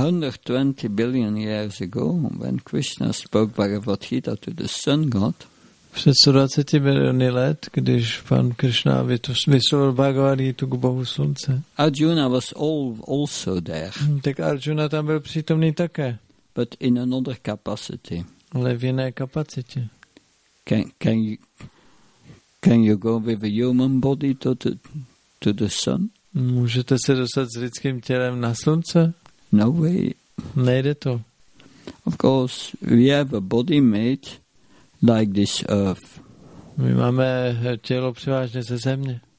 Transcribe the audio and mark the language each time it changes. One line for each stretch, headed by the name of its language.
English: 120 billion years ago, when Krishna spoke Bhagavad Gita to the sun god.
Czech: Před 120 miliony let, když pan Krishna vyslovil Bhagavad Gita k Bohu slunce.
English: Arjuna was also there.
Czech: Tak Arjuna tam byl přítomný také.
English: But in another capacity.
Czech: Ale v jiné kapacitě.
English: Can you go with a human body to the sun?
Czech: Můžete se dostat s lidským tělem na slunce?
English: No way.
Czech: Nejde to.
English: Of course, we have a body made like this earth.
Czech: My máme tělo převážně ze země.